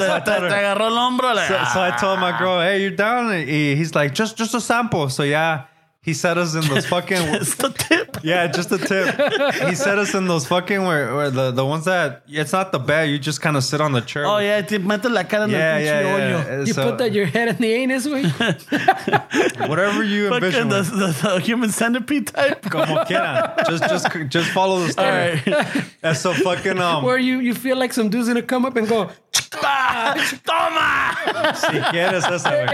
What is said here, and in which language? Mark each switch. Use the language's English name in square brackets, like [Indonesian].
[English] So I told my girl, hey, you're down. He's like, just a sample. So yeah, he set us in those fucking. Just a tip. Yeah, just a tip. He set us in those fucking where the ones that it's not the bed. You just kind of sit on the chair. [Spanish] Oh yeah, te meto la cara en el pinche hoyo. [English] You put that your head in the anus, we. Whatever you envision. Fucking the human centipede type. [Spanish] Como quiera. [English] Just follow the story. All right. That's so fucking where you feel like some dude's gonna come up and go. [Spanish] Toma. Si quieres esa.